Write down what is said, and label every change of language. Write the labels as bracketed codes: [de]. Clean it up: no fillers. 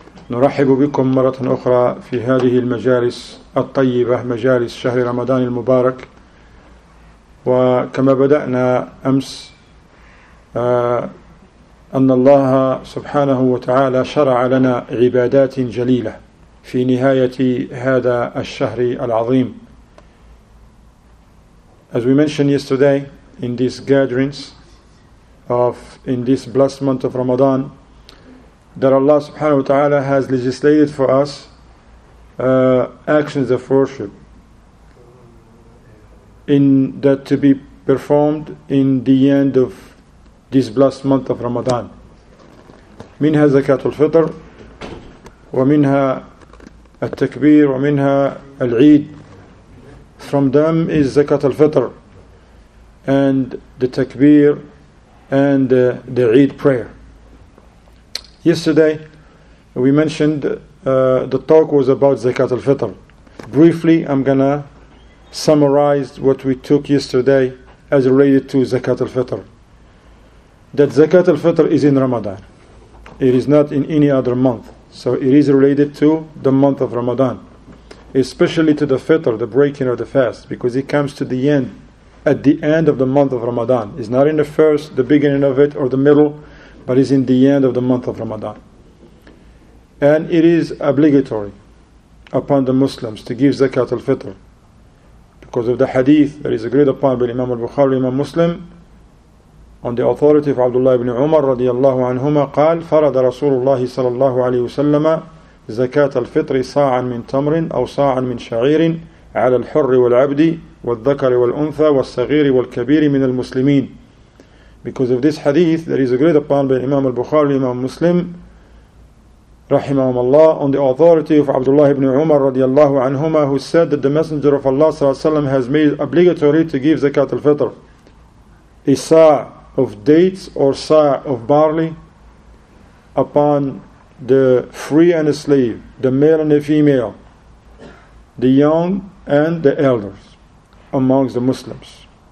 [ar] نرحب بكم مرة أخرى في هذه المجالس الطيبة مجالس شهر رمضان المبارك وكما بدأنا أمس أن الله سبحانه وتعالى شرع لنا عبادات جليلة في نهاية هذا الشهر العظيم. [en] As we mentioned yesterday in these gatherings of in this blessed month of Ramadan that Allah subhanahu wa ta'ala has legislated for us actions of worship in that to be performed in the end of this blessed month of Ramadan. [ar] منها زكاة الفطر ومنها التكبير ومنها العيد. [en] From them is زكاة الفطر and the تكبير and the عيد prayer. Yesterday, we mentioned the talk was about Zakat al-Fitr. Briefly, I'm going to summarize what we took yesterday as related to Zakat al-Fitr. That Zakat al-Fitr is in Ramadan. It is not in any other month. So it is related to the month of Ramadan. Especially to the Fitr, the breaking of the fast. Because it comes to the end, at the end of the month of Ramadan. It's not in the first, the beginning of it, or the middle, but is in the end of the month of Ramadan. And it is obligatory upon the Muslims to give Zakat al-Fitr. Because of the hadith that is agreed upon by Imam al-Bukhari, Imam Muslim, on the authority of Abdullah ibn Umar radiallahu anhuma, [ar] قال فرض رسول الله صلى الله عليه وسلم زكاة الفطر صاعا من تمر أو صاعا من شعير على الحر والعبد والذكر والأنثى والصغير والكبير من المسلمين. [en] Because of this hadith that is agreed upon by Imam al-Bukhari, Imam Muslim, [ar] رحمهم الله, [en] on the authority of Abdullah ibn Umar radiallahu anhuma, who said that the Messenger of Allah sallallahu alayhi wa sallam has made it obligatory to give Zakat al-Fitr, a sa' of dates or sa' of barley upon the free and the slave, the male and the female, the young and the elders amongst the Muslims.